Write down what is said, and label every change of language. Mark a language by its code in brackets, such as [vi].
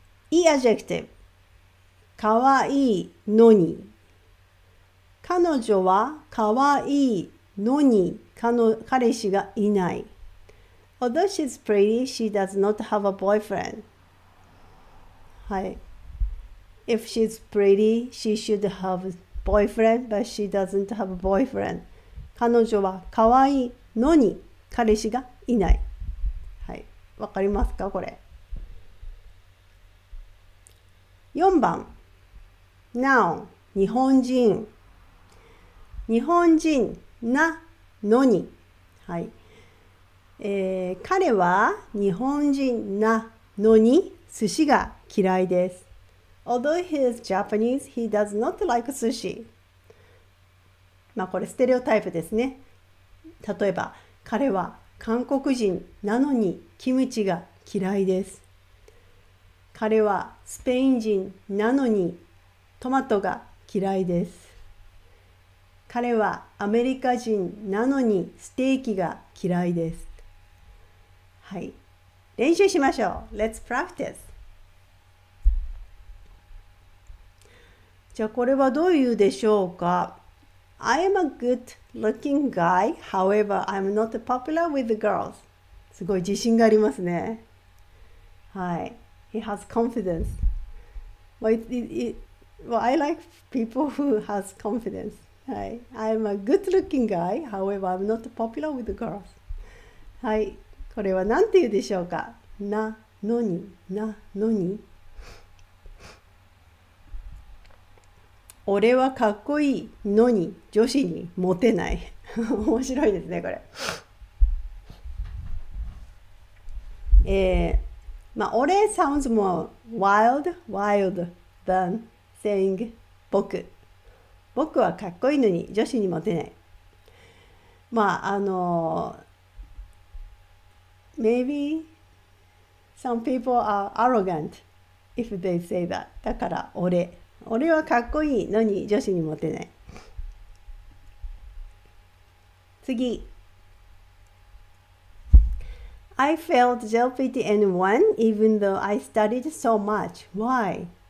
[ja] いいアジェクティブかわいいのに彼女はかわいいのに彼氏がいない [en] Although she's pretty, she does not have a boyfriend. はい If she's pretty, she should have a boyfriend, but she doesn't have a boyfriend. [ja] 彼女はかわいいのに彼氏がいない。はい、わかりますかこれ。 4番Noun, 日本人。日本人なのに。はい。彼は日本人なのに寿司が嫌いです。 [en] Although he is Japanese, he does not like sushi. [ja] まあこれステレオタイプですね。例えば、彼は韓国人なのにキムチが嫌いです。彼はスペイン人なのにトマトが嫌いです。彼はアメリカ人なのにステーキが嫌いです。はい、練習しましょう。 [en] Let's practice。 [ja] じゃあこれはどういうでしょうか。 [en] I am a good looking guy, however, I'm not popular with the girls. [ja] すごい自信がありますね。 [en] はい。He has confidence. Well, I like people who has confidence. はい。 I am a good looking guy, however, I'm not popular with the girls. [ja] はい。これは何て言うでしょうか。なのに、なのに。俺はかっこいいのに女子にモテない。面白いですね、これ。 [en] まあ、俺 sounds more wild than saying 僕。 [ja] 僕はかっこいいのに女子にモテない。 [en] まあ、maybe some people are arrogant if they say that。 [ja] だから俺。俺はかっこいいのに女子にモテない。次。 [en] I failed JLPT N1 even though I studied so much. Why?